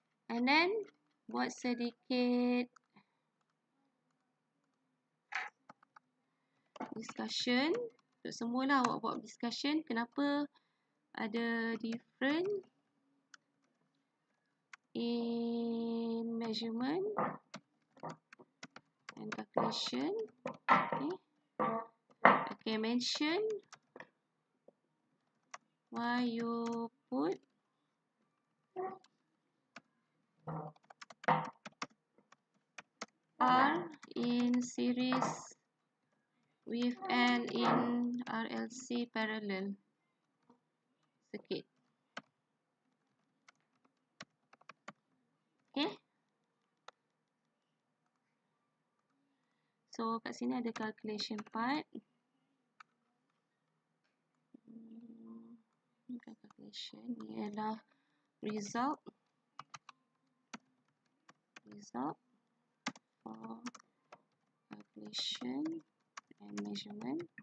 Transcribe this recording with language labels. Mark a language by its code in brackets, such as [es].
[en] Okay. And then [ms] buat sedikit [en] discussion. [ms] Untuk semualah awak buat discussion. Kenapa ada [en] different in measurement and calculation. Okay. Okay, mention why you put R in series with L in RLC parallel. [ms] Sikit. Okay. So kat sini ada [en] calculation part. [ms] Calculation ni ialah result. [en] Result for calculation and measurement.